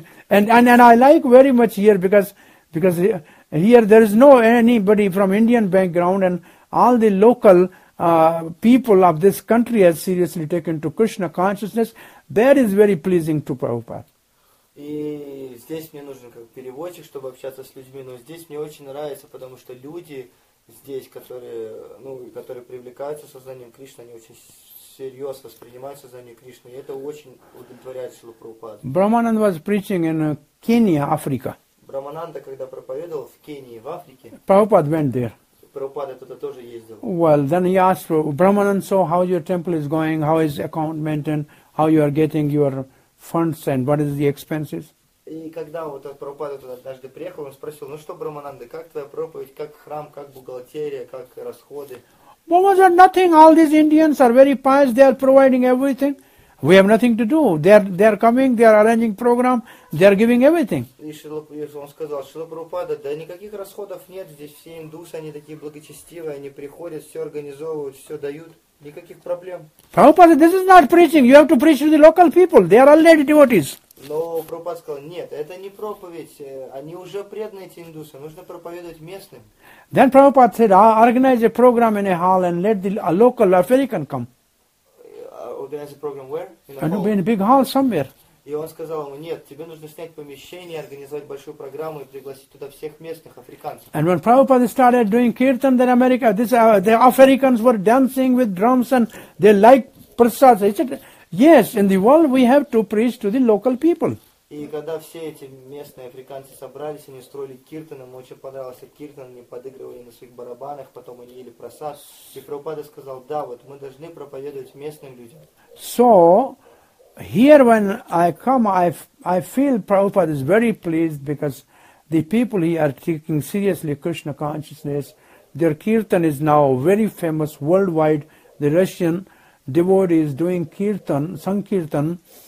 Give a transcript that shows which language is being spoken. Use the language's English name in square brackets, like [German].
[English] and I like very much here, because here there is no anybody from Indian background, and all the local people of this country has seriously taken to Krishna consciousness. That is very pleasing to Prabhupada. [Russian] И здесь мне нужен как переводчик, чтобы общаться с людьми, но здесь мне очень нравится, потому что люди здесь, которые привлекаются сознанием Кришны, они очень серьезно воспринимают сознание Кришны, и это очень удовлетворяет Шрилу Прабхупаду. [English] Brahmananda was preaching in Kenya, Africa. [Russian] Brahmananda, когда проповедовал в Кении, в Африке, [English] Prabhupada went there. [Russian] Prabhupada туда тоже ездил. [English] Well, then he asked Brahmananda, so how your temple is going, how is account maintained, how you are getting your funds and what is the expenses? [Russian] И когда вот этот Прабхупада туда однажды приехал, он спросил, ну что, Брамананда, как твоя проповедь, как храм, как бухгалтерия, как расходы? [English] Well, was there nothing? All these Indians are very pious, they are providing everything. We have nothing to do. They are coming, they are arranging program, they are giving everything. [Russian] Он сказал, Шрила Прабхупада, да никаких расходов нет, здесь все индусы, они такие благочестивые, они приходят, все организовывают, все дают, никаких проблем. [English] Prabhupada, this is not preaching, you have to preach to the local people, they are already devotees. [Russian] Но Прабхупада сказал, нет, это не проповедь, они уже преданы, эти индусы, нужно проповедовать местным. [English] Then Prabhupada said, I'll organize a program in a hall and let the local African come. Organize a program where? In a big hall somewhere. [Russian] И он сказал ему, нет, тебе нужно снять помещение, организовать большую программу и пригласить туда всех местных африканцев. [English] And when Prabhupada started doing kirtan, then America, the Africans were dancing with drums and they like prasad. He said, yes, in the world we have to preach to the local people. [Russian] И когда все эти местные африканцы собрались, они устроили киртан, им очень понравился киртан, они подыгрывали на своих барабанах, потом они ели прасад. И Прабхупада сказал, да, вот мы должны проповедовать местным людям. [English] So, here when I come, I feel Prabhupada is very pleased because the people here are taking seriously Krishna consciousness. Their kirtan is now very famous worldwide. The Russian devotee is doing kirtan, sankirtan.